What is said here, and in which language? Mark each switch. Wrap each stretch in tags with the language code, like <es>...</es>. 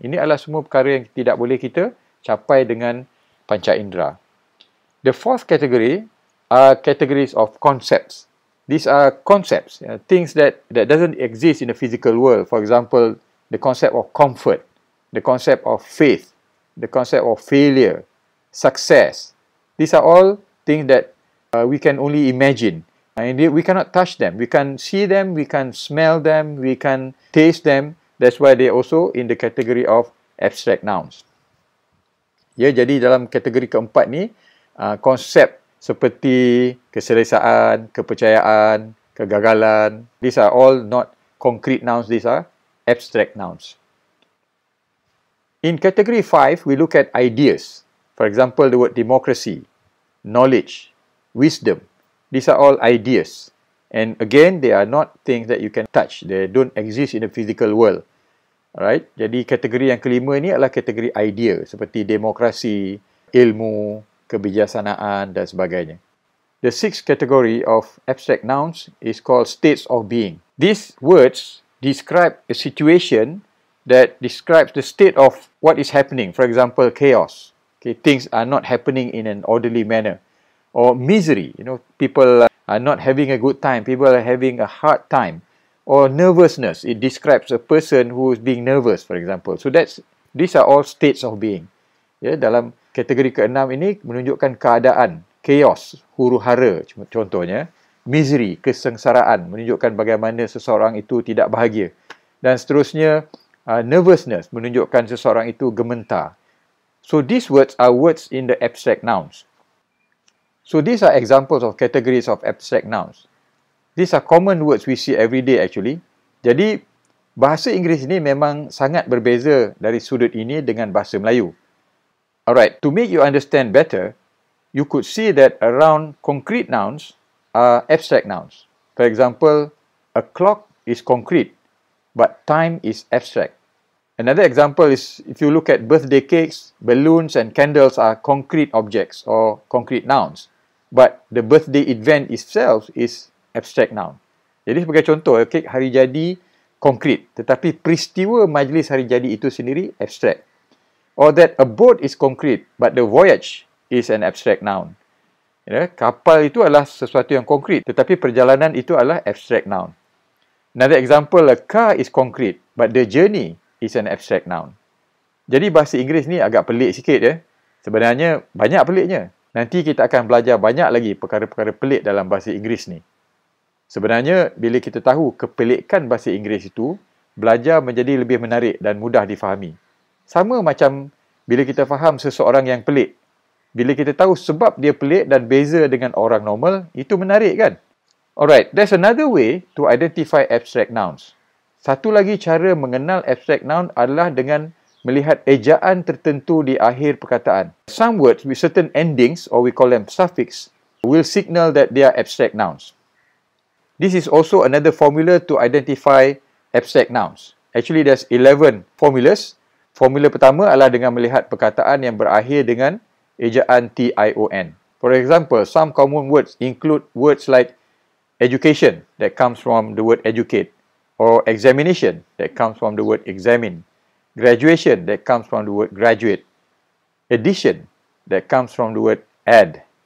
<ms>Ini adalah semua perkara yang tidak boleh kita capai dengan panca indera.</ms> <en>The fourth category are categories of concepts. These are concepts, ya, things that doesn't exist in the physical world. For example, the concept of comfort, the concept of faith, the concept of failure, success. These are all things that we can only imagine. And we cannot touch them. We can see them, we can smell them, we can taste them. That's why they're also in the category of abstract nouns.</en> <ms>Ya, jadi dalam kategori keempat ni, konsep seperti keselesaan, kepercayaan, kegagalan,</ms> <en>these are all not concrete nouns, these are abstract nouns. In category 5, we look at ideas. For example, the word democracy, knowledge, wisdom. These are all ideas. And again, they are not things that you can touch. They don't exist in the physical world. Alright?</en> <ms>Jadi, kategori yang kelima ini adalah kategori idea. Seperti demokrasi, ilmu, kebijaksanaan dan sebagainya.</ms> <en>The sixth category of abstract nouns is called states of being. These words describe a situation that describes the state of what is happening. For example, chaos. Okay, things are not happening in an orderly manner. Or misery. You know, people are not having a good time. People are having a hard time. Or nervousness. It describes a person who is being nervous, for example. So these are all states of being. Yeah,</en> <ms>dalam kategori keenam ini menunjukkan keadaan. Chaos, huru-hara contohnya. Misery, kesengsaraan. Menunjukkan bagaimana seseorang itu tidak bahagia. Dan seterusnya, nervousness menunjukkan seseorang itu gemetar.</ms> <en>So these words are words in the abstract nouns. So these are examples of categories of abstract nouns. These are common words we see every day actually.</en> <ms>Jadi bahasa Inggeris ini memang sangat berbeza dari sudut ini dengan bahasa Melayu.</ms> <en>Alright, to make you understand better, you could see that around concrete nouns are abstract nouns. For example, a clock is concrete. But time is abstract. Another example is if you look at birthday cakes, balloons and candles are concrete objects or concrete nouns. But the birthday event itself is abstract noun.</en> <ms>Jadi sebagai contoh, kek hari jadi concrete. Tetapi peristiwa majlis hari jadi itu sendiri abstract.</ms> <en>Or that a boat is concrete, but the voyage is an abstract noun. You know,</en> <ms>kapal itu adalah sesuatu yang concrete. Tetapi perjalanan itu adalah abstract noun.</ms> <en>Another example, a car is concrete, but the journey is an abstract noun.</en> <ms>Jadi bahasa Inggeris ni agak pelik sikit ya. Sebenarnya banyak peliknya. Nanti kita akan belajar banyak lagi perkara-perkara pelik dalam bahasa Inggeris ni. Sebenarnya bila kita tahu kepelikan bahasa Inggeris itu, belajar menjadi lebih menarik dan mudah difahami. Sama macam bila kita faham seseorang yang pelik. Bila kita tahu sebab dia pelik dan beza dengan orang normal, itu menarik kan?</ms> <en>Alright, there's another way to identify abstract nouns.</en> <ms>Satu lagi cara mengenal abstract noun adalah dengan melihat ejaan tertentu di akhir perkataan.</ms> <en>Some words with certain endings, or we call them suffix, will signal that they are abstract nouns. This is also another formula to identify abstract nouns. Actually, there's 11 formulas.</en> <ms>Formula pertama adalah dengan melihat perkataan yang berakhir dengan ejaan T-I-O-N.</ms> <en>For example, some common words include words like education, that comes from the word educate. Or examination, that comes from the word examine. Graduation, that comes from the word graduate. Addition, that comes from the word add.</en>